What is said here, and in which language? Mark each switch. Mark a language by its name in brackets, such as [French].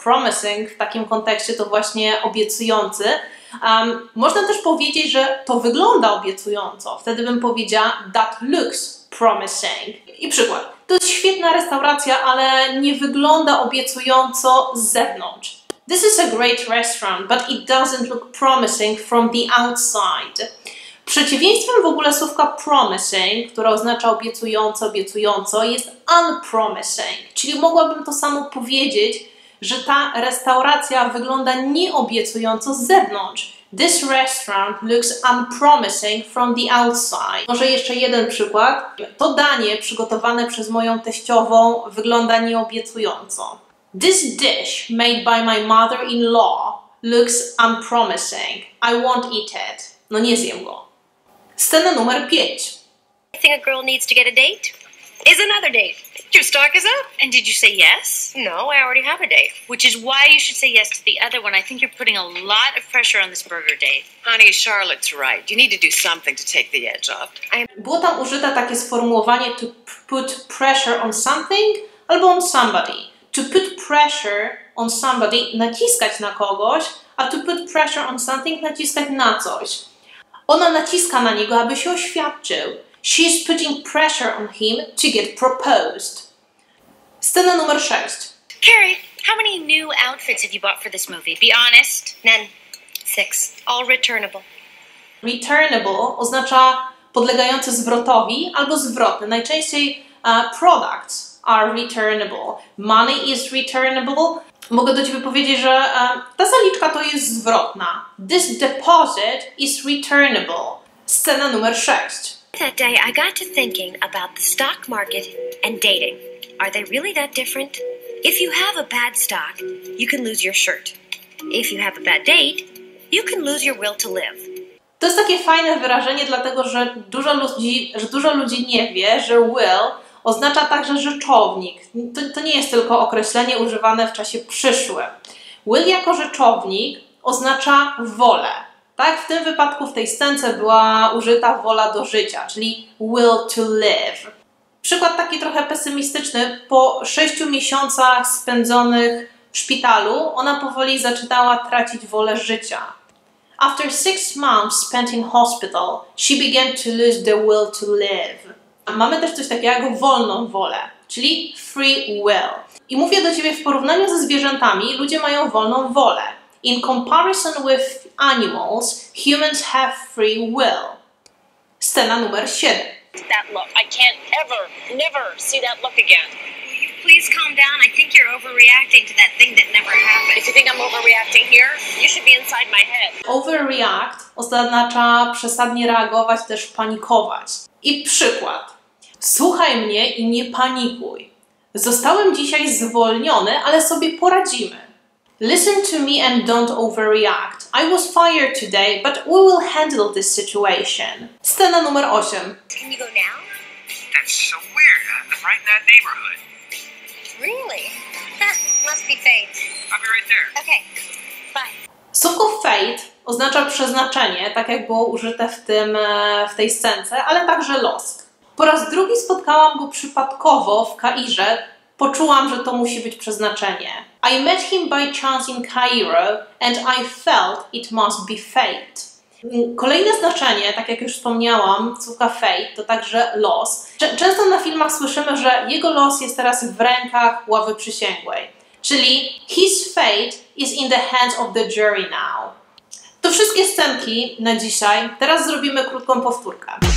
[Polish] Promising w takim kontekście to właśnie obiecujący. Można też powiedzieć, że to wygląda obiecująco. Wtedy bym powiedziała [English] that looks promising. [Polish] I przykład. To jest świetna restauracja, ale nie wygląda obiecująco z zewnątrz. [English] This is a great restaurant, but it doesn't look promising from the outside. [Polish] Przeciwieństwem w ogóle słówka promising, które oznacza obiecujące, obiecująco, jest unpromising. Czyli mogłabym to samo powiedzieć, że ta restauracja wygląda nieobiecująco z zewnątrz. [English] This restaurant looks unpromising from the outside. [Polish] Może jeszcze jeden przykład. To danie przygotowane przez moją teściową wygląda nieobiecująco. [English] This dish made by my mother-in-law looks unpromising. I won't eat it. [Polish] No nie zjem go. Scena numer 5. [English] I think a girl needs to get a date. Is another date. Your stock is up. And did you say yes? No, I already have a date. Which is why you should say yes to the other one. I think you're putting a lot of pressure on this burger date. Honey, Charlotte's right. You need to do something to take the edge off. [Polish] Było tam użyte takie sformułowanie [English] to put pressure on something [Polish] albo [English] on somebody. To put pressure on somebody, [Polish] naciskać na kogoś, a [English] to put pressure on something, [Polish] naciskać na coś. Ona naciska na niego, aby się oświadczył. [English] She's putting pressure on him to get proposed. [Polish] Scena numer 6. [English] Carrie, how many new outfits have you bought for this movie? Be honest. None. 6. All returnable. [Polish] Returnable oznacza podlegające zwrotowi albo zwrotne. Najczęściej [English] products are returnable. Money is returnable. [Polish] Mogę do ciebie powiedzieć, że ta zaliczka to jest zwrotna. [English] This deposit is returnable. [Polish] Scena numer 6. [English] That day I got to thinking about the stock market and dating. Are they really that different? If you have a bad stock, you can lose your shirt. If you have a bad date, you can lose your will to live. [Polish] To jest takie fajne wyrażenie, dlatego że dużo ludzi nie wie, że will oznacza także rzeczownik. To nie jest tylko określenie używane w czasie przyszłym. Will jako rzeczownik oznacza wolę. Tak, w tym wypadku, w tej scence była użyta wola do życia, czyli [English] will to live. [Polish] Przykład taki trochę pesymistyczny. Po 6 miesiącach spędzonych w szpitalu, ona powoli zaczynała tracić wolę życia. [English] After 6 months spent in hospital, she began to lose the will to live. [Polish] Mamy też coś takiego jak wolną wolę, czyli free will. I mówię do ciebie, w porównaniu ze zwierzętami, ludzie mają wolną wolę. [English] In comparison with animals, humans have free will. [Polish] Scena numer 7. [English] That look. I can't ever, never see that look again. Will you please calm down? I think you're overreacting to that thing that never happened. If you think I'm overreacting here, you should be inside my head. [Polish] Overreact oznacza przesadnie reagować, też panikować. I przykład. Słuchaj mnie i nie panikuj. Zostałem dzisiaj zwolniony, ale sobie poradzimy. [English] Listen to me and don't overreact. I was fired today, but we will handle this situation. [Polish] Scena numer 8. [English] Can you go now? That's so weird. I'm right in that neighborhood. Really? Must be fate. I'll be right there. Okay, bye. [Polish] Słowo fate oznacza przeznaczenie, tak jak było użyte w tej scence, ale także los. Po raz drugi spotkałam go przypadkowo w Kairze. Poczułam, że to musi być przeznaczenie. [English] I met him by chance in Cairo and I felt it must be fate. [Polish] Kolejne znaczenie, tak jak już wspomniałam, słówka fate to także los. Często na filmach słyszymy, że jego los jest teraz w rękach ławy przysięgłej. Czyli [English] his fate is in the hands of the jury now. [Polish] To wszystkie scenki na dzisiaj. Teraz zrobimy krótką powtórkę.